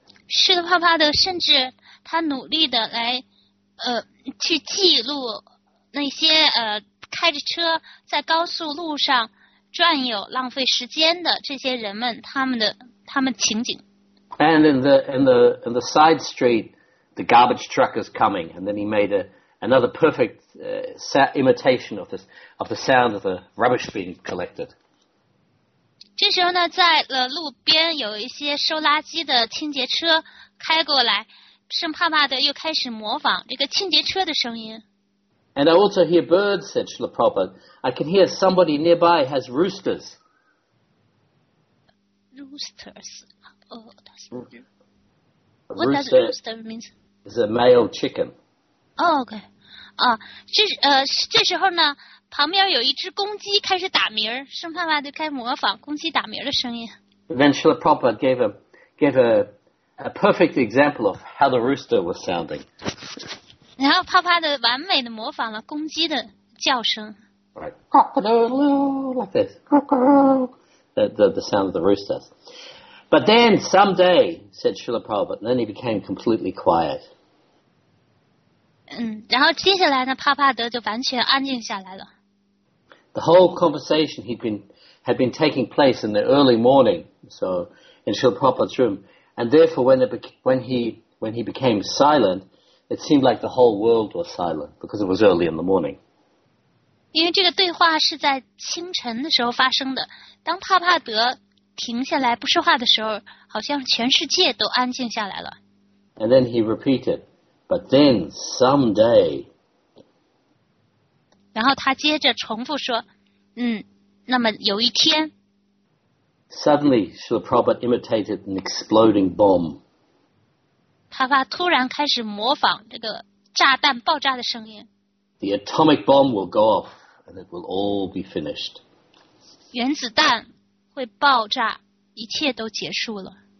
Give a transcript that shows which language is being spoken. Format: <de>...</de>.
<zh>Srila Prabhupada 甚至他努力的来去记录那些开着车在高速路上转悠浪费时间的这些人们他们情景。</zh> <en>And in the side street, the garbage truck is coming, and then he made another perfect imitation of this of the sound of the rubbish being collected.</en> <zh>这时候呢，在路边有一些收垃圾的清洁车开过来，圣帕帕德又开始模仿这个清洁车的声音。</zh> <en>And I also hear birds, said Srila Prabhupada. I can hear somebody nearby has roosters. Roosters. What does rooster mean? It's a male chicken.</en> <zh>OK， 这时候呢，旁边有一只公鸡开始打鸣，圣帕帕就开始模仿公鸡打鸣的声音。</zh> <en>Then Srila Prabhupada gave a perfect example of how the rooster was sounding.</en> <zh>然后帕帕的完美的模仿了公鸡的叫声。</zh> <en>Right, like this, the sound of the rooster. But then someday, said Srila Prabhupada, then he became completely quiet.</en> <zh>然后接下来呢，帕帕德就完全安静下来了。</zh> <en>The whole conversation had been taking place in the early morning, so in Srila Prabhupada's room, and therefore when he became silent, it seemed like the whole world was silent because it was early in the morning.</en> <zh>因为这个对话是在清晨的时候发生的，当帕帕德停下来不说话的时候，好像全世界都安静下来了。</zh> <en>And then he repeated. But then someday.</en> <zh>然后他接着重复说，那么有一天。</zh> <en>Suddenly, Srila Prabhupada imitated an exploding bomb.</en> <zh>帕帕突然开始模仿这个炸弹爆炸的声音。</zh> <en>The atomic bomb will go off, and it will all be finished.</en> <zh>原子弹会爆炸，一切都结束了。</zh>